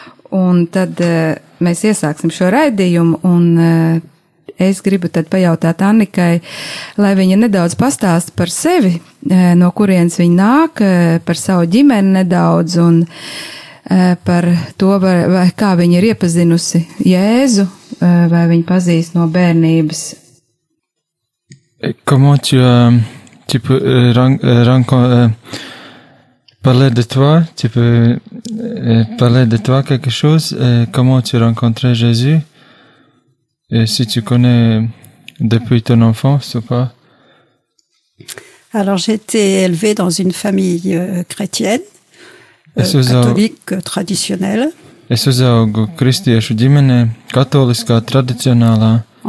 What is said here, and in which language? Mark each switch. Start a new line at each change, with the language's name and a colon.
Latvian: Un tad mēs iesāksim šo raidījumu, un es gribu tad pajautāt Annikai, lai viņa nedaudz pastāsta par sevi, no kurienes viņa nāk, par savu ģimeni nedaudz un par to, vai kā viņa ir iepazinusi Jēzu, vai viņa pazīst no bērnības.
French: Comment tu tu parler de toi, tu peux parler de toi quelque chose, comment tu rencontres Jésus? Et si tu connais depuis ton enfance ou pas? Alors, j'ai été élevée dans une famille chrétienne, catholique traditionnelle.
Latvian: Es uzaugu kristiešu ģimenē, katoliskā tradicionālā.